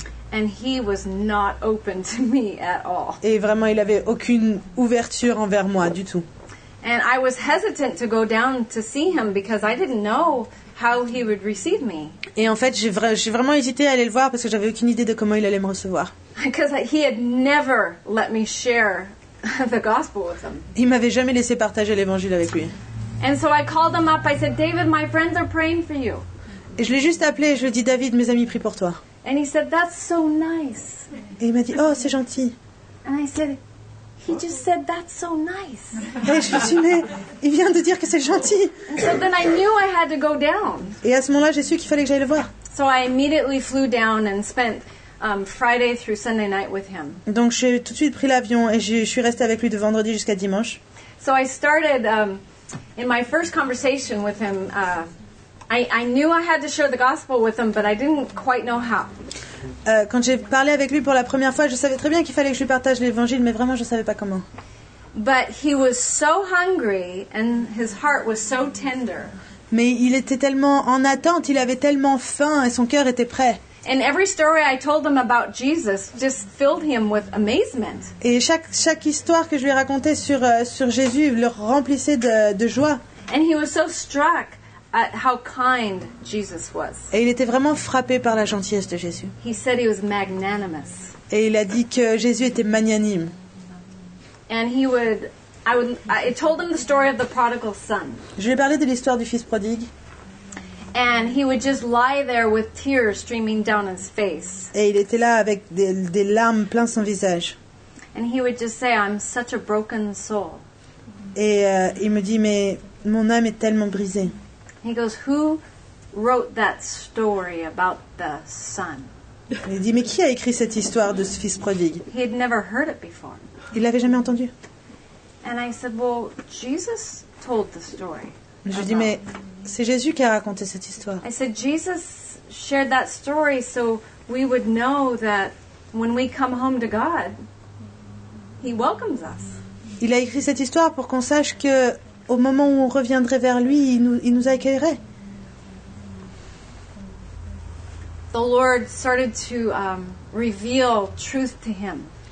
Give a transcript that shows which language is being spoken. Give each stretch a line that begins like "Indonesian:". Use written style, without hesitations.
English: And he was not open to me at all.
French: Et vraiment, il avait aucune ouverture envers moi du tout.
English: And I was hesitant to go down to see him because I didn't know how he would receive me.
French: Et en fait, j'ai vraiment hésité à aller le voir parce que j'avais aucune idée de comment il allait me recevoir.
English: Because he had never let me share the gospel with him.
French: Il m'avait jamais laissé partager l'évangile avec lui.
English: And so I called him up. I said, David, my friends are praying for you.
French: Et je l'ai juste appelé. Je lui ai dit, David, mes amis prient pour toi.
English: And he said, that's so nice.
French: Et il m'a dit, oh, c'est gentil.
English: And I said, he just said, that's so nice.
French: Et je me suis dit, mais il vient de dire que c'est gentil.
English: So then I knew I had to go down.
French: Et à ce moment-là, j'ai su qu'il fallait que j'aille le voir.
English: So I immediately flew down and spent Friday through Sunday night with him.
French: Donc j'ai tout de suite pris l'avion et je suis restée avec lui de vendredi jusqu'à dimanche.
English: So I started in my first conversation with him. I knew I had to share the gospel with him, but I didn't quite know how.
French: Quand j'ai parlé avec lui pour la première fois, je savais très bien qu'il fallait que je lui partage l'évangile, mais vraiment je savais pas comment.
English: But he was so hungry and his heart was so tender.
French: Mais il était tellement en attente, il avait tellement faim et son cœur était prêt.
English: And every story I told him about Jesus just filled him with amazement.
French: Et chaque histoire que je lui racontais sur Jésus le remplissait de joie.
English: And he was so struck at how kind Jesus was.
French: Et il était vraiment frappé par la gentillesse de Jésus.
English: He said he was magnanimous.
French: Et il a dit que Jésus était magnanime.
English: And he would I told him the story of the prodigal son.
French: Je lui ai parlé de l'histoire du fils prodigue.
English: And he would just lie there with tears streaming down his face.
French: Et il était là avec des larmes plein son visage.
English: And he would just say, I'm such a broken soul.
French: Et il me dit, mais mon âme est tellement brisée.
English: He goes, who wrote that story about the son?
French: Il dit, mais qui a écrit cette histoire de ce fils prodigue?
English: He had never heard it before.
French: Il l'avait jamais entendu.
English: And I said, well, Jesus told the story.
French: Je dis, mais c'est Jésus qui a raconté cette histoire.
English: I said, Jesus shared that story so we would know that when we come home to God, he welcomes us.
French: Il a écrit cette histoire pour qu'on sache que au moment où on reviendrait vers lui, il nous accueillerait.
English: The Lord started to reveal truth to him.